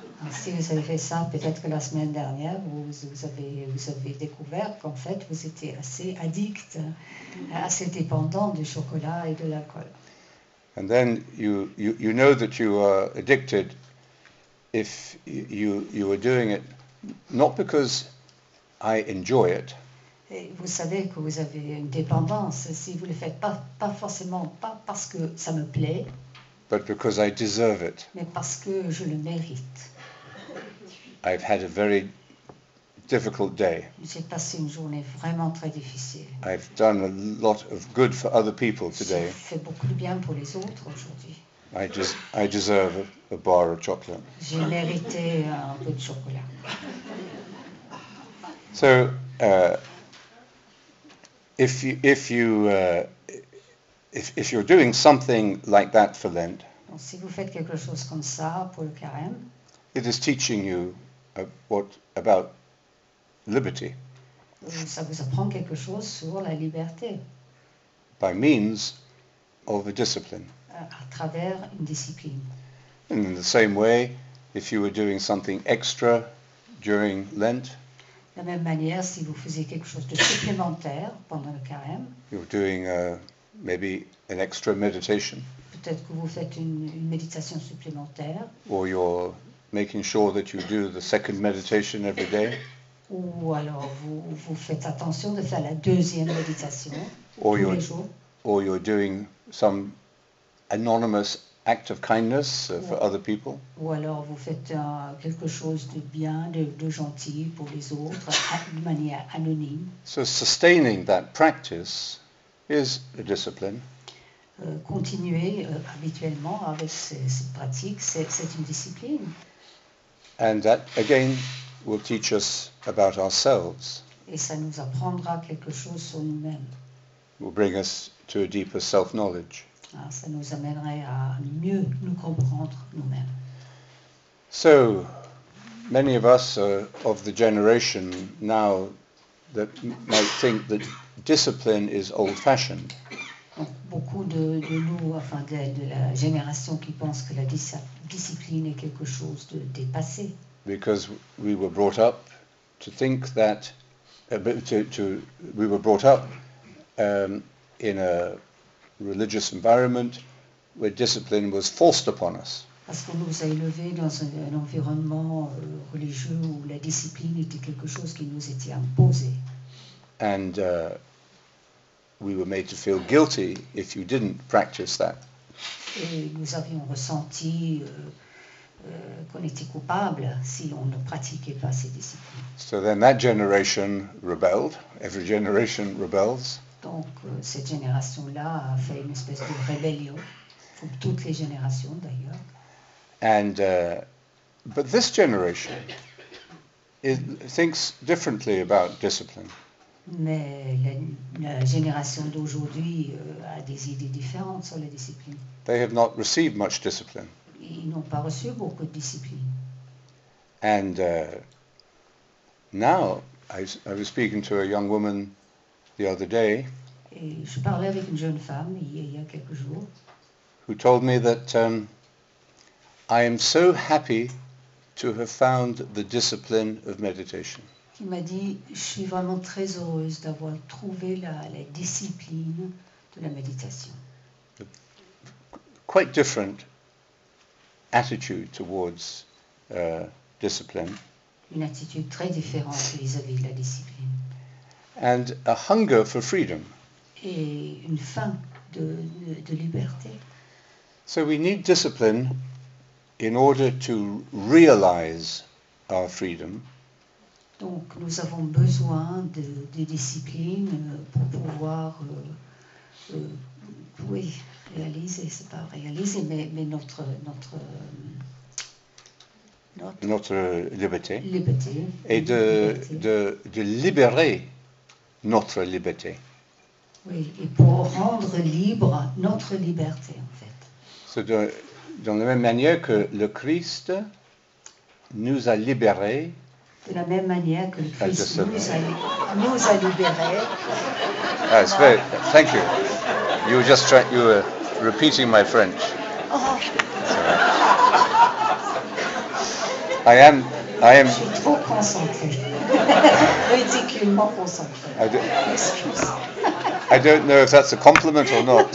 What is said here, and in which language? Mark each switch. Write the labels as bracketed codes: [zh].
[fr] Si vous avez fait ça, peut-être que la semaine dernière, vous avez découvert qu'en fait, vous étiez assez addict, assez dépendant du chocolat et de l'alcool. [en] And then you know that you are addicted if you are doing it not because I enjoy it. [fr] Et vous savez que vous avez une dépendance si vous le faites pas forcément pas parce que ça me plaît. [en] But because I deserve it. [fr] Mais parce que je le mérite. [en] I've had a very difficult day. [fr] J'ai passé une journée vraiment très difficile. [en] I've done a lot of good for other people today. [fr] J'ai fait beaucoup de bien pour les autres aujourd'hui. [en] I deserve a bar of chocolate. [fr] J'ai mérité un peu de chocolat. [en] So, if you're doing something like that for Lent, [fr] donc, si vous faites quelque chose comme ça pour le carême, [en] it is teaching you what about liberty. [fr] Ça vous apprend quelque chose sur la liberté. [en] By means of a discipline. [fr] À travers une discipline. [en] And in the same way, if you were doing something extra during Lent, [fr] de la même manière, si vous faisiez quelque chose de supplémentaire pendant le carême, [en] you're doing maybe an extra meditation. [fr] Peut-être que vous faites une méditation supplémentaire. [en] Or you're making sure that you do the second meditation every day. [fr] Ou alors vous faites attention de faire la deuxième méditation [en] or [fr] tous les jours. [en] Or you're doing some anonymous act of kindness for other people. [fr] Ou alors vous faites quelque chose de bien, de gentil pour les autres, de manière anonyme. [en] So sustaining that practice is a discipline. [fr] Continuer habituellement avec cette pratique, c'est une discipline. [en] And that again will teach us about ourselves. [fr] Et ça nous apprendra quelque chose sur nous-mêmes. [en] Will bring us to a deeper self-knowledge. [fr] Ah, ça nous amènerait à mieux nous comprendre nous-mêmes. [en] So, many of us are of the generation now that might think that discipline is old-fashioned. [fr] Donc, beaucoup de nous, enfin de la génération qui pense que la discipline est quelque chose de dépassé. [en] Because we were brought up to think that, we were brought up in a religious environment where discipline was forced upon us. [fr] Parce qu'on nous a élevés dans un environnement religieux où la discipline était quelque chose qui nous était imposé. [en] And we were made to feel guilty if you didn't practice that. [fr] Et nous avions ressenti qu'on était coupable si on ne pratiquait pas ces disciplines. [en] So then that generation rebelled. Every generation rebels. [fr] Donc cette génération-là a fait une espèce de rébellion, comme toutes les générations d'ailleurs. [en] And but this generation it thinks differently about discipline. [fr] Mais la génération d'aujourd'hui a des idées différentes sur la discipline. [en] They have not received much discipline. [fr] Ils n'ont pas reçu beaucoup de discipline. [en] And now, I was speaking to a young woman the other day. [fr] Et je parlais avec une jeune femme il y a quelques jours. [en] Who told me that I am so happy to have found the discipline of meditation. [fr] Il m'a dit, je suis vraiment très heureuse d'avoir trouvé la discipline de la méditation. [en] Quite different attitude towards discipline. [fr] Une attitude très différente vis-à-vis de la discipline. [en] And a hunger for freedom. [fr] et une fin de liberté. [en] So we need discipline in order to realize our freedom. [fr] Donc nous avons besoin de discipline pour pouvoir oui, réaliser, c'est pas réaliser, mais notre liberté. Liberté. Et de libérer notre liberté. Oui, et pour rendre libre notre liberté, en fait. C'est dans la même manière que le Christ nous a libérés. De la même manière que le Christ nous a libérés. Ah, c'est vrai. [en] Thank you. You were just trying, you were repeating my French. Oh. I am. [fr] Je suis trop concentré. Ridiculement concentré. Excuse. [en] I don't know if that's a compliment or not.